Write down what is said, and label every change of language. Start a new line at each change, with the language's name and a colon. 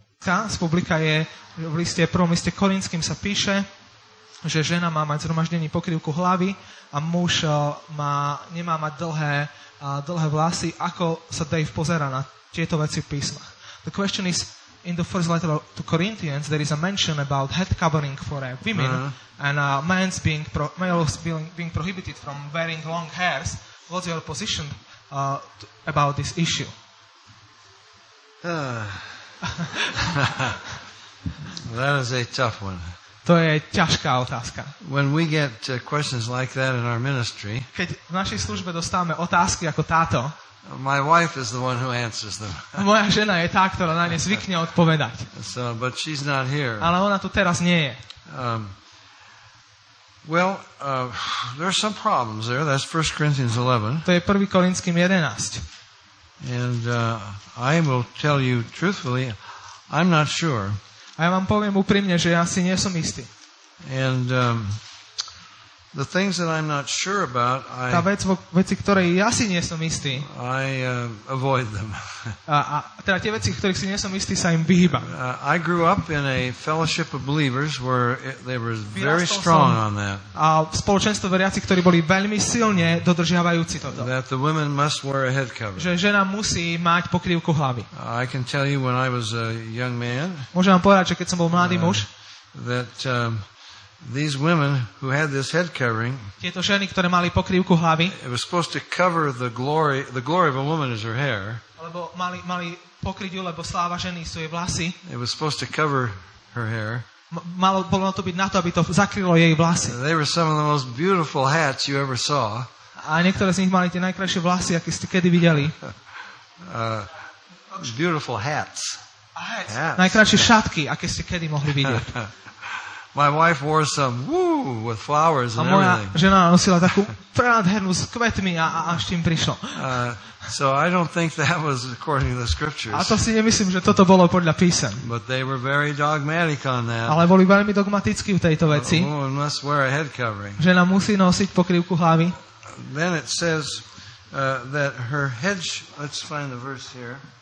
Slovak: Tá z publika je v liste, prvom liste Korinským sa píše, že žena má mať zhromaždený pokrývku hlavy a muž nemá mať dlhé vlasy. Ako sa Dave pozerá na tieto veci v písmach?
English: The question is, in the first letter to Corinthians, there is a mention about head covering for women and men's being males being prohibited from wearing long hairs. What's your position about this issue? That is a tough one.
Slovak: To je ťažká otázka.
English: When we get questions like that in our ministry,
Slovak: keď v našej službe dostávame otázky ako táto,
English: my wife is the one who answers them.
Slovak: Moja žena je tá, ktorá na ne zvykne odpovedať.
English: So, but she's not here.
Slovak: Ale ona tu teraz nie je.
English: There are some problems there. That's 1 Corinthians 11.
Slovak: To je 1. Korinským 11.
English: And I will tell you truthfully, I'm not sure.
Slovak: A ja vám poviem úprimne, že ja si nie som istý.
English: And the things that I'm not sure about, I
Slovak: tá vec, veci, ktoré ja si nie som istý,
English: I avoid them.
Slovak: A teda tie veci, ktorých si nie som istý, sa im vyhýbam.
English: I grew up in a fellowship of believers where they were very strong on that.
Slovak: A spoločenstvo veriacich, ktorí boli veľmi silne dodržiavajúci toto.
English: That the women must wear a head cover.
Slovak: Že žena musí mať pokrývku hlavy.
English: I can tell you when I was a young man.
Slovak: Môžem vám povedať, že keď som bol mladý muž,
English: that these women who had this head covering,
Slovak: tieto ženy, ktoré mali pokrývku hlavy,
English: it was supposed to cover the glory of a woman is her hair,
Slovak: alebo mali pokryť ju, lebo sláva ženy sú jej vlasy,
English: it was supposed to cover her hair,
Slovak: bolo to byť na to, aby to zakrylo jej vlasy.
English: They were some of the most beautiful hats you ever saw.
Slovak: A niektoré z nich mali tie najkrajšie vlasy, aké ste kedy videli.
English: Beautiful hats. Hats.
Slovak: Najkrajšie šatky, aké ste kedy mohli vidieť.
English: My wife wore some woo with flowers and everything.
Slovak: A moja žena nosila takú prádhernú s kvetmi a s tým prišlo.
English: So I don't think that was according to the scriptures.
Slovak: A to si nemyslím, že toto bolo podľa písem.
English: But they were very dogmatic on that.
Slovak: Ale boli veľmi dogmatickí v tejto veci.
English: A woman must wear a head covering.
Slovak: Žena musí nosiť pokrývku hlavy.
English: Then it says that her head, let's find the verse here.